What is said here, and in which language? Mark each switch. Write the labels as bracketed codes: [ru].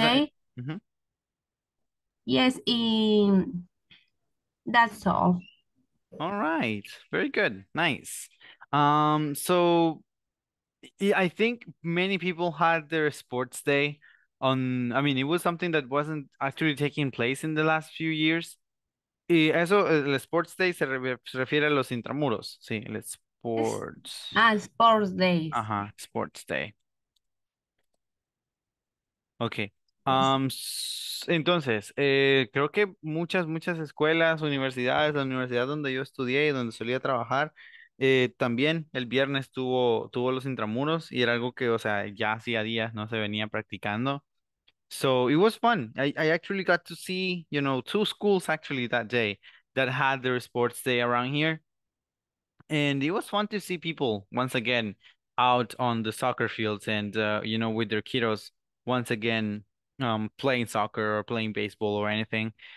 [en] Okay. Yes, in that's all. All right. Very good. Nice. I think many people had their sports day on. I mean, it was something that wasn't actually taking place in the last few years. [es] Y eso, el sports day se refiere a los intramuros. Sí, el sports. [en] Ah, sports days. Ajá, sports day. Okay. Yes. [es] Entonces, creo que muchas escuelas, universidades, la universidad donde yo estudié y donde solía trabajar. También el viernes tuvo los intramuros y era algo que, o sea, ya hacía días no se venía practicando. [en] So it was fun. I actually got to see, two schools actually that day that had their sports day around here. And it was fun to see people once again out on the soccer fields and, with their kiddos once again playing soccer or playing baseball or anything.